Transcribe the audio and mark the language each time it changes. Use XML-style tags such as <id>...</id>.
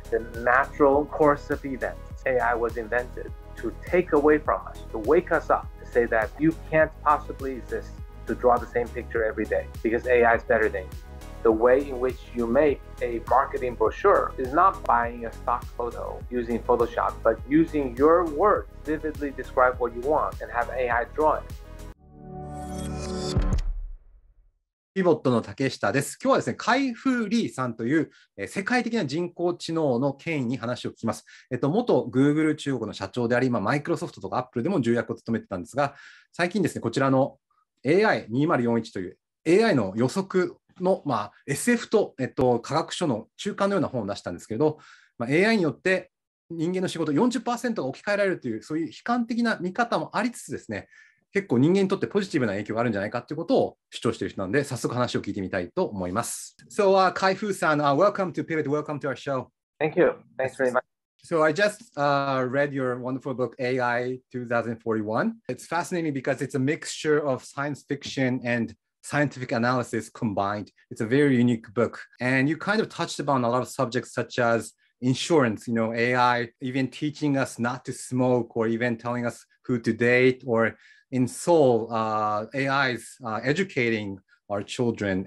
<en>The natural course of events, AI was invented to take away from us, to wake us up, to say that you can't possibly exist to draw the same picture every day because AI is better than you. The way in which you make a marketing brochure is not buying a stock photo using Photoshop, but using your words, vividly describe what you want and have AI draw it.</en> <ja>PIVOTの竹下です。今日はですね、カイフーリーさんという、世界的な人工知能の権威に話を聞きます。元 Google 中国の社長であり、今マイクロソフトとかアップルでも重役を務めてたんですが、最近ですね、こちらの AI2041 という AI の予測の、まあ、SF と、科学書の中間のような本を出したんですけれど、まあ、AI によって人間の仕事 40% が置き換えられるという、そういう悲観的な見方もありつつですね、結構人間にとってポジティブな影響があるんじゃないかということを主張している人なので、早速話を聞いてみたいと思います。</ja> <en>So, Kai-Fu san, welcome to Pivot, welcome to our show. Thank you. Thanks very much. So, I just read your wonderful book, AI 2041. It's fascinating because it's a mixture of science fiction and scientific analysis combined. It's a very unique book. And you kind of touched upon a lot of subjects such as insurance, you know, AI, even teaching us not to smoke or even telling us who to date orIn Seoul, AIs educating our children.</en>